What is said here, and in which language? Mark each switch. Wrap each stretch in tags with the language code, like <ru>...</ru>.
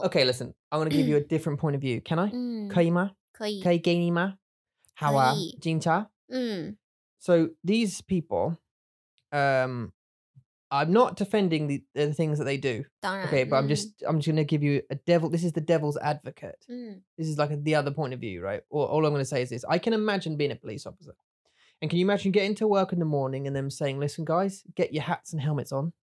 <en>well, okay, listen, I'm gonna give you a different point of view. Can I?</en> <zh>可以吗？可以。可以给你吗？好啊，警察。</zh> <en>So these people, I'm not defending the things that they do.</en> <zh>当然,</zh> <en>okay, but I'm just going to give you a devil. This is the devil's advocate. This is like the other point of view, right? All I'm going to say is this. I can imagine being a police officer. And can you imagine getting to work in the morning and them saying, listen, guys, get your hats and helmets on.</en>